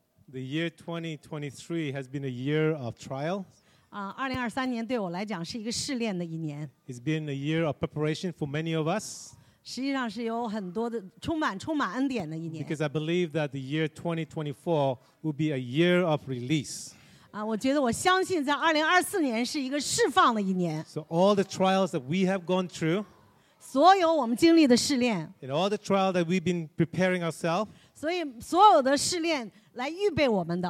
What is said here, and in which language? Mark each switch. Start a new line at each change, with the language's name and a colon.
English: The year 2023 has been a year of trial.
Chinese: 2023年对我来讲是一个试炼的一年.
English: It's been a year of preparation for many of us.
Chinese: 实际上是有很多的充满恩典的一年.
English: Because I believe that the year 2024 will be a year of release.
Chinese: 我觉得我相信在2024年是一个释放的一年.
English: So all the trials that we have gone through.
Chinese: 所有我们经历的试炼,
English: in all the trials that we've been preparing ourselves,
Chinese: 所以所有的试炼来预备我们的,